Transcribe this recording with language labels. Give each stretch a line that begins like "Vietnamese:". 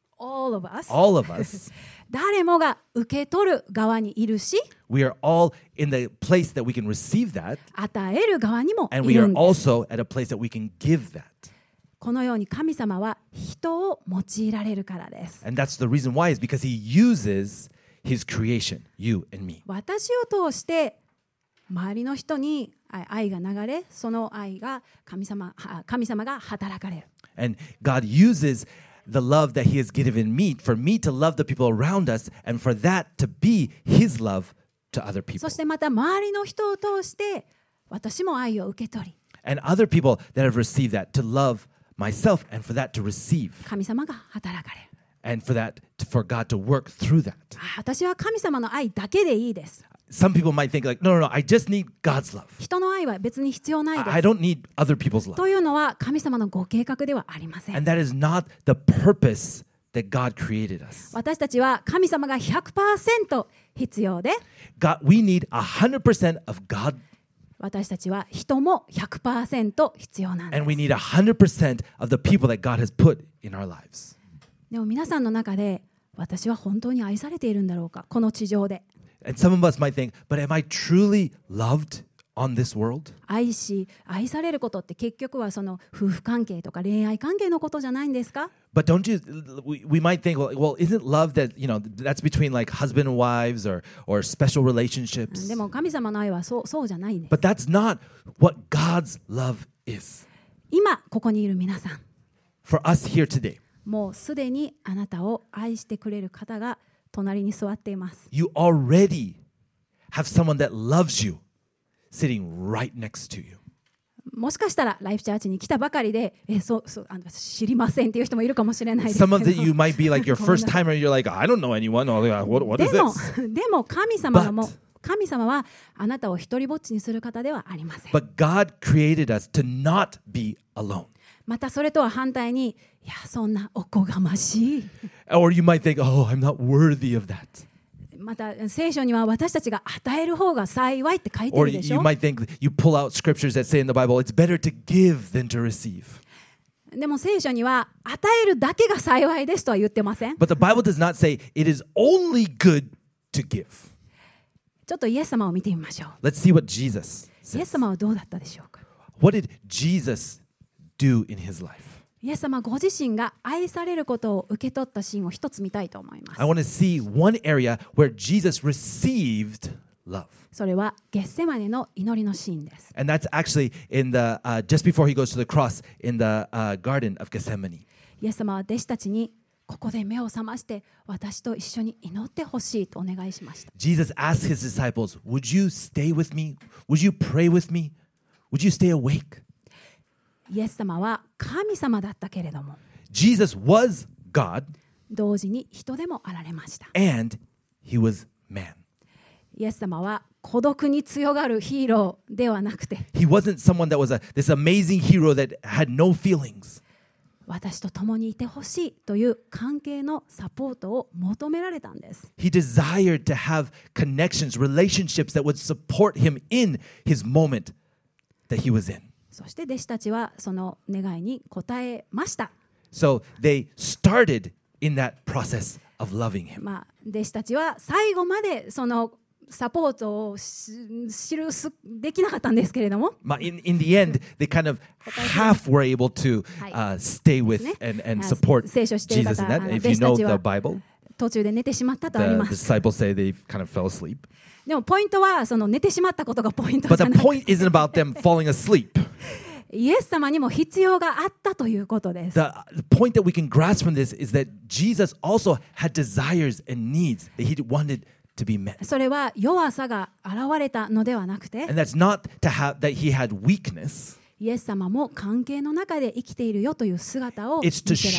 English: All of us
Japanese: 誰もが受け取る側にいるし
English: We are all in the place that we can receive that
Japanese: 与える側にもいるんです
English: And we are also at a place that we can give that
Japanese: このように神様は人を用いられるからです
English: And that's the reason why is because he uses his creation You and me
Japanese: 私を通して周りの人に愛が流れ、その愛が神様が働かれる。
English: And God uses the love that He has given me for me to love the people around us and for that to be His love to other people.
Japanese: そしてまた周りの人を通して私も愛を受け取り。
English: And other people that have received that to love myself and for that to receive.
Japanese: 神様が働かれ。
English: And for that, for God to work through that.
Japanese: 私は神様の愛だけでいいです。
English: Some people might think like, no, I just need God's love.
Japanese: 人の愛は別に必要ないです。
English: I don't need other people's love.
Japanese: というのは神様のご計画ではありません。
English: And that is not the purpose that God created us.
Japanese: 私たちは神様が 100% 必要で。
English: God, we need 100% of God.
Japanese: 私たちは人も 100% 必要なんです。
English: And we need 100% of the people that God has put in our lives.
Japanese: でも皆さんの中で私は本当に愛されているんだろうか、この地上で。
English: And some of us might think, but am I truly loved on this world?
Japanese: 愛し、愛されることって結局はその夫婦関係とか恋愛関係のことじゃないんですか？
English: But don't you, we might think, well, isn't love that, you know, that's between like husband and wives or special relationships?
Japanese: でも神様の愛はそうじゃないんです。
English: But that's not what God's love is.
Japanese: 今ここにいる皆さん。
English: For us here today.
Japanese: もうすでにあなたを愛してくれる方が隣に座っています。
English: You already have someone that loves you. Sitting right next to you.
Japanese: もしかしたらライフチャーチに来たばかりで、知りませんっていう人もいるかもしれないですけど。
English: Some of the, you might be like your first timer. You're like, I don't know anyone. What is this?
Japanese: でも神様はも、神様はあなたを一人ぼっちにする方ではありません。
English: But God created us to not be alone.
Japanese: またそれとは反対に、いやそんなおこがましい。
English: Or you might think, oh, I'm not worthy of that.
Japanese: また聖書には私たちが与える方が幸いって書いてるでしょ。
English: Or you might think you pull out scriptures that say in the Bible it's better to give than to receive.
Japanese: でも聖書には与えるだけが幸いですとは言ってません。
English: But the Bible does not say it is only good to give.
Japanese: ちょっとイエス様を見てみましょう。
English: Let's see what Jesus says.
Japanese: イエス様はどうだったでしょうか。
English: What did Jesus do in his life?
Japanese: イエス様ご自身が愛されることを受け取ったシーンを一つ見たいと思います。
English: I want to see one area where Jesus received love.
Japanese: それはゲッセマネの祈りのシーンです。
English: And that's actually in the, just before he goes to the cross in the, Garden of Gethsemane.
Japanese: イエス様は弟子たちにここで目を覚まして私と一緒に祈ってほしいとお願いしました。
English: Jesus asked his disciples, would you stay with me? Would you pray with me? Would you stay awake?
Japanese: イエス様は神様だったけれども、
English: Jesus was God.
Japanese: 同時に人でもあられました。
English: And he was man.
Japanese: イエス様は孤独に強がるヒーローではなくて、
English: He wasn't someone that was this amazing hero that had no feelings.
Japanese: 私と共にいてほしいという関係のサポートを求められたんです。
English: He desired to have connections, relationships that would support him in his moment that he was in.
Japanese: そして弟子たちはその願いに応えました。
English: So they started in that process of loving him.
Japanese: まあ弟子たちは最後までそのサポートを知るすできなかったんですけれども。
English: まあ in the end, they kind of half were able to stay with and support Jesus in that. If you know the Bible,
Japanese: 途中で寝てしまったとあります。
English: The disciples say they kind of fell asleep.
Japanese: でもポイントはその寝てしまったことがポイントじゃない。
English: But the point isn't about them falling asleep.
Japanese: イエス様にも必要があったということです。
English: The point that we can grasp from this is that Jesus also had desires and needs that he wanted to be met.
Japanese: それは弱さが現れたのではなくて、
English: And that's not to have that he had weakness.
Japanese: イエス様も関係の中で生きているよという姿を見せられました。